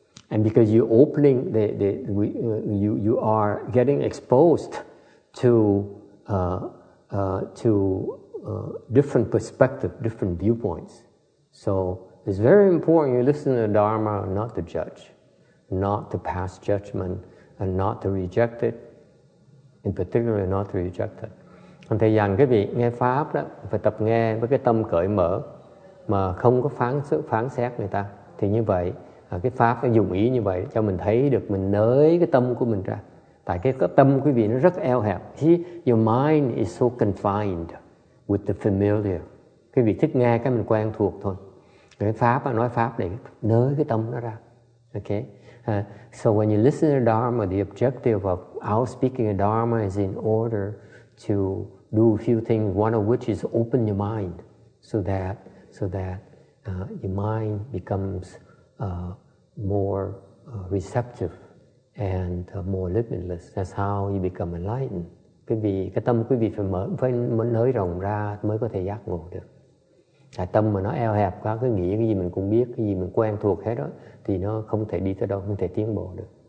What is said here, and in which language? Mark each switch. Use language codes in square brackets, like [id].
[en] And because you're opening, you are getting exposed to different perspective, different viewpoints. So it's very important you listen to the Dharma, not to judge, not to pass judgment, and not to reject it. In particular, not to reject it. [vi] Còn thầy dặn quý vị nghe pháp đó phải tập nghe với cái tâm cởi mở, mà không có phán xét người ta. Thì như vậy. Cái pháp nó dùng ý như vậy cho mình thấy được mình nới cái tâm của mình ra. Tại cái tâm quý vị nó rất eo hẹp. [en] See, your mind is so confined with the familiar. [vi] Quý vị thích nghe cái mình quen thuộc thôi. Cái pháp mà nói pháp để nới cái tâm nó ra. [en] Okay? So when you listen to Dharma, the objective of our speaking of Dharma is in order to do a few things, one of which is open your mind so that your mind becomes more receptive and more limitless. That's how you become enlightened. [vi] Quý vị, cái tâm quý vị phải nới rộng ra mới có thể giác ngộ được. Tại tâm mà nó eo hẹp quá, cứ nghĩ cái gì mình cũng biết, cái gì mình quen thuộc hết đó, thì nó không thể đi tới đâu, không thể tiến bộ được.